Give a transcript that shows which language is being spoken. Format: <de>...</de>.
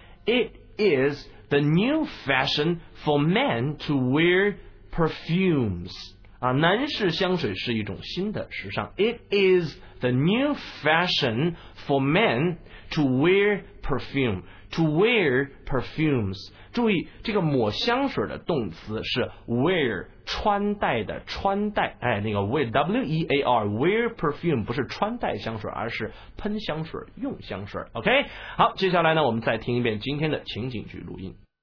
<en>It is the new fashion for men to wear perfumes。</en> <zh>男士香水是一种新的时尚。</zh> <en>It is the new fashion for men to wear perfume. To wear perfumes.</en> <zh>注意这个抹香水的动词是 wear， 穿戴的穿戴。那个</zh> <en>wear wear perfume</en> <zh>不是穿戴香水，而是喷香水用香水。 OK， 好，接下来呢我们再听一遍今天的情景剧录音。</zh>